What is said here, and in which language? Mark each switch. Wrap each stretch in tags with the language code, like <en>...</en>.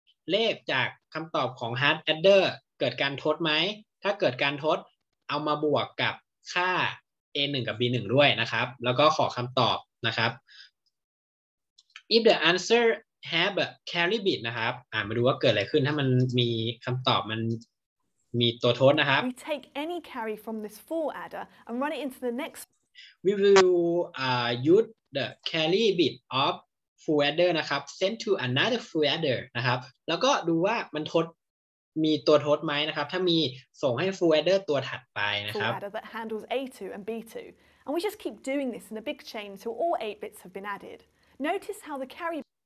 <th>เลขจากคำตอบของ hard adder เกิดการทดไหมถ้าเกิดการทดเอามาบวกกับค่า a 1กับ b 1ด้วยนะครับแล้วก็ขอคำตอบนะครับ</th> <en>if the answer have a carry bit</en> <th>นะครับมาดูว่าเกิดอะไรขึ้นถ้ามันมีคำตอบมันมีตัวทดนะครับ</th> <en>we take any carry from this full adder and run it into the next we will use the carry bit ofFull adder</en> <th>นะครับ</th> <en>send to another full adder</en> <th>นะครับแล้วก็ดูว่ามันทดมีตัวทดไหมนะครับถ้ามีส่งให้ full adder ตัวถัดไปนะครับ</th> <en>full adder that handles a2 and b2 and we just keep doing this in a big chain until all 8 bits have been added notice how the carry</en>